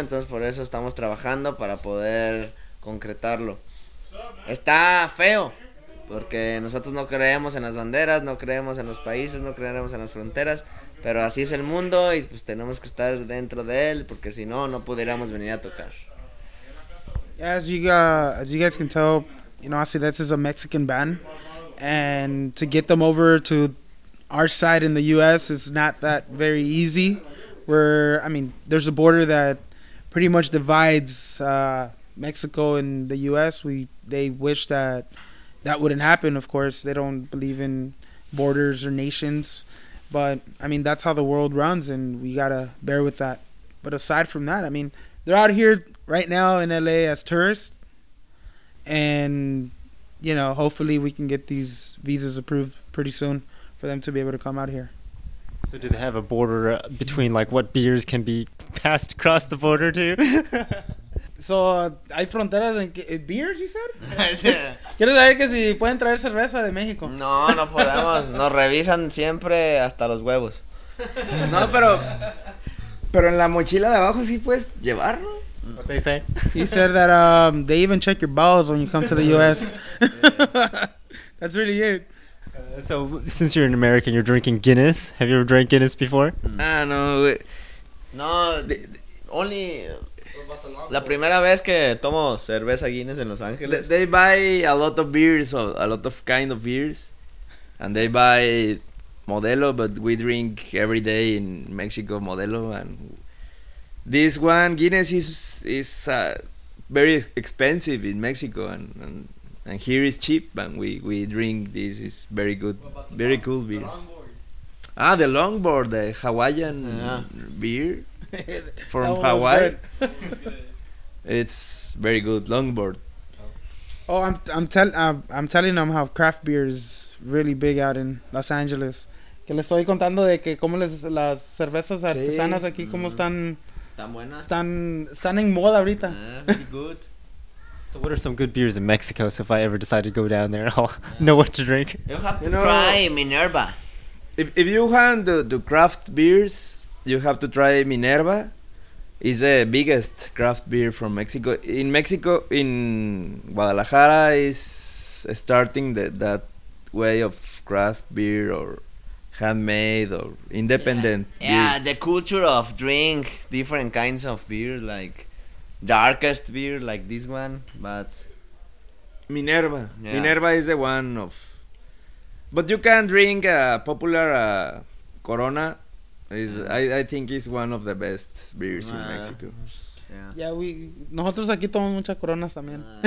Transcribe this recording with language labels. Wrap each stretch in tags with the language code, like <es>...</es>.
<es>Entonces por eso estamos trabajando para poder concretarlo. Está feo, porque nosotros no creemos en las banderas, no creemos en los países, no creemos en las fronteras, pero así es el mundo y pues tenemos que estar dentro de él, porque si no, no pudiéramos venir a tocar.</es> <en>As you guys can tell, you know, obviously this is a Mexican band, and to get them over to our side in the U.S. is not that very easy. There's a border that pretty much divides Mexico and the U.S. They wish that that wouldn't happen, of course. They don't believe in borders or nations, but I mean, that's how the world runs, and we gotta bear with that. But aside from that, I mean, they're out here right now in LA as tourists, and you know, hopefully we can get these visas approved pretty soon for them to be able to come out here. So do they have a border between like what beers can be passed across the border to? So,</en> <es>hay fronteras en</es> <en>beers, you said?</en> <es>Quiero saber que si pueden traer cerveza de México. No, no podemos. Nos revisan siempre hasta los huevos. No, pero en la mochila de abajo sí puedes llevarlo.</es> <en>What they say? He said that they even check your balls when you come to the U.S. That's really it. So, since you're an American, you're drinking Guinness. Have you ever drank Guinness before? No. No, only...</en> <es>La primera vez que tomo cerveza Guinness en Los Ángeles.</es> <en>They buy a lot of beers, a lot of kind of beers. And they buy Modelo, but we drink every day in Mexico Modelo. And this one, Guinness, is very expensive in Mexico. And here is cheap, and we drink this. It's very good, very cool beer. The Longboard, the Hawaiian beer. From Hawaii. It's very good Longboard. Oh, I'm telling them how craft beer is really big out in Los Angeles.</en> <es>Que les estoy contando de que cómo las cervezas artesanas aquí cómo están. Tan buenas. Están en moda ahorita.</es> <en>Very good. So what are some good beers in Mexico? So if I ever decide to go down there, I'll know what to drink. You have to try Minerva. If you want the craft beers, you have to try Minerva. It's the biggest craft beer from Mexico. In Mexico, in Guadalajara, is starting that way of craft beer or handmade or independent. Yeah, the culture of drink different kinds of beer, like darkest beer, like this one, but Minerva. Yeah. Minerva is the one of. But you can drink a popular Corona. I think it's one of the best beers in Mexico. Yeah, we</en> <es>nosotros aquí tomamos muchas coronas también.</es>